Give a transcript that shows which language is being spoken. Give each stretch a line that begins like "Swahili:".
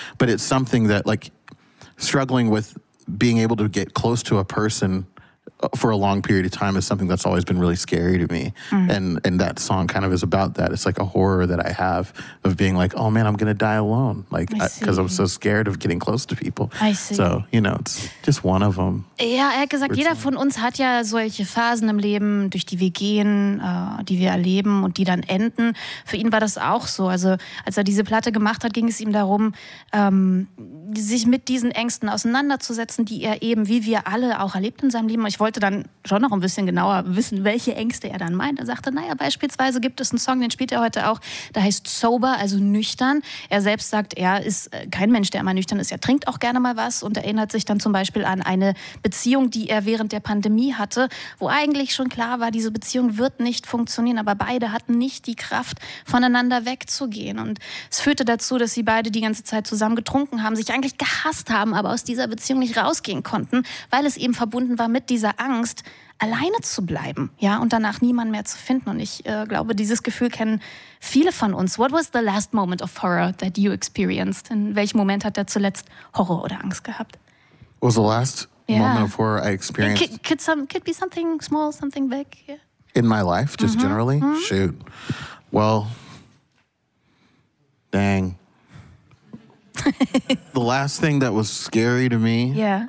English: But it's something that, like, struggling with being able to get close to a person for a long period of time is something that's always been really scary to me. Mm. And that song kind of is about that. It's like a horror that I have of being like, oh man, I'm going to die alone. Like, because I'm so scared of getting close to people. I see. So, you know, it's just one of them.
German: Ja, ehrlich gesagt, jeder von uns hat ja solche Phasen im Leben, durch die wir gehen, die wir erleben und die dann enden. Für ihn war das auch so. Also, als er diese Platte gemacht hat, ging es ihm darum, sich mit diesen Ängsten auseinanderzusetzen, die er eben, wie wir alle, auch erlebt in seinem Leben. Ich wollte dann schon noch ein bisschen genauer wissen, welche Ängste er dann meint. Er sagte, naja, beispielsweise gibt es einen Song, den spielt er heute auch, der heißt Sober, also nüchtern. Er selbst sagt, er ist kein Mensch, der immer nüchtern ist. Er trinkt auch gerne mal was und erinnert sich dann zum Beispiel an eine Beziehung, die er während der Pandemie hatte, wo eigentlich schon klar war, diese Beziehung wird nicht funktionieren, aber beide hatten nicht die Kraft, voneinander wegzugehen. Und es führte dazu, dass sie beide die ganze Zeit zusammen getrunken haben, sich eigentlich gehasst haben, aber aus dieser Beziehung nicht rausgehen konnten, weil es eben verbunden war mit dieser Angst, alleine zu bleiben, ja, und danach niemanden mehr zu finden. Und ich glaube, dieses Gefühl kennen viele von uns.
English: What was the last moment of horror that you experienced?
German: In welchem Moment hat er zuletzt Horror oder Angst gehabt?
English: What was the last moment of horror I experienced? It could be something small, something big. Yeah. In my life, just generally? Mm-hmm. Shoot. Well, dang. The last thing that was scary to me. Yeah.